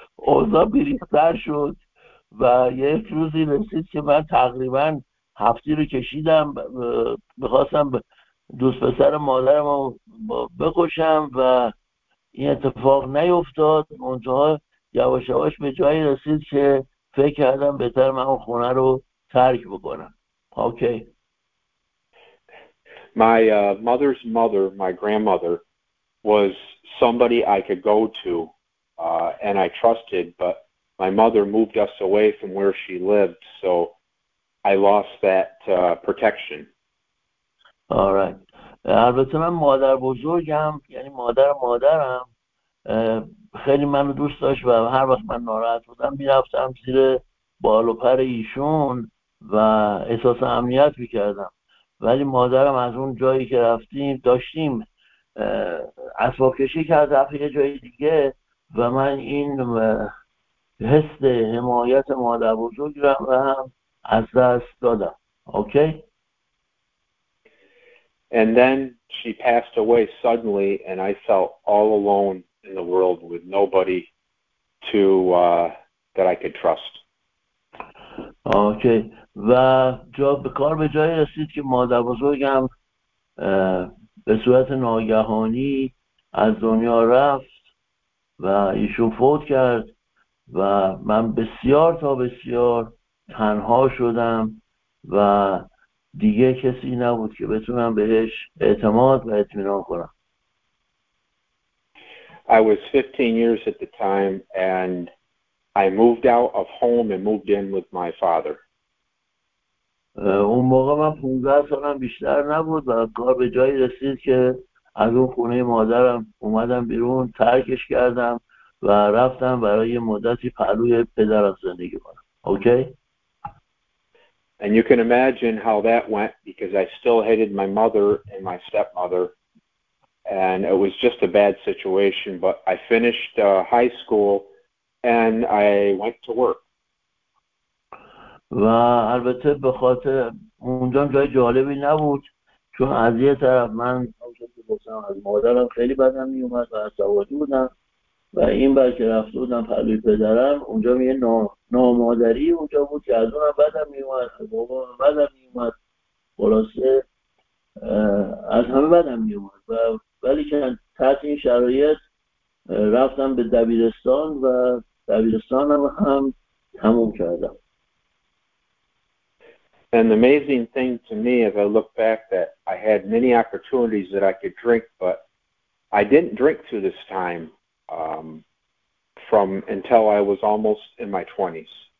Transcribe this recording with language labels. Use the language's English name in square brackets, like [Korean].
[Persian] اوضاع بیریختر شد و یک روزی رسید که من تقریبا هفتی رو کشیدم، بخواستم دوست پسر مادرم رو بکشم و این اتفاق نیفتاد. منتها یواش یواش به جایی رسید که فکر کردم بهتر من خونه رو ترک بکنم. [English] Okay. My mother's mother, my grandmother, was somebody I could go to and I trusted, but my mother moved us away from where she lived, so I lost that protection. All right. [Persian] البته من مادر بزرگم، یعنی مادر مادرم خیلی منو دوست داشت و هر وقت من ناراحت بودم میرفتم زیر بال و پر ایشون و احساس امنیت میکردم. ولی مادرم از اون جایی که رفتیم داشتیم اسباب کشی کرد رفت یه جای دیگه و من این حس حمایت مادر بزرگم رو هم از دست دادم. [English] Okay. And then she passed away suddenly and I felt all alone in the world with nobody to that I could trust. Okay. [Persian] و جواب کار به جای رسید که مادر بزرگم به صورت ناگهانی از دنیا رفت و ایشون فوت کرد و من بسیار تا بسیار تنها شدم و دیگه کسی نبود که بتونم بهش اعتماد و اطمینان کنم. [English] I was 15 years at the time and I moved out of home and moved in with my father. [Persian] اون موقع من 15 سالم بیشتر نبود و کار به جایی رسید که از اون خونه مادرم اومدم بیرون، ترکش کردم و رفتم برای مدتی پهلوی پدرم زندگی کنم. [English] Okay. And you can imagine how that went because I still hated my mother and my stepmother and it was just a bad situation, but I finished high school and I went to work. [Persian] و البته به خاطر اونجا جای جالبی نبود، چون از یه طرف من از مادرم خیلی بدم می اومد و عصبانی بودم و این بار که رفته بودم پلوی پدرم اونجا یه نامادری اونجا بود که از اونم بدم می اومد، از بابام بدم می اومد، خلاصه از همه بدم می اومد. و ولی که تحت این شرایط رفتم به دبیرستان و دبیرستانم هم تموم کردم. [English] And the amazing thing to me as I look back that I had many opportunities that I could drink, but I didn't drink through this time from until I was almost in my 20s.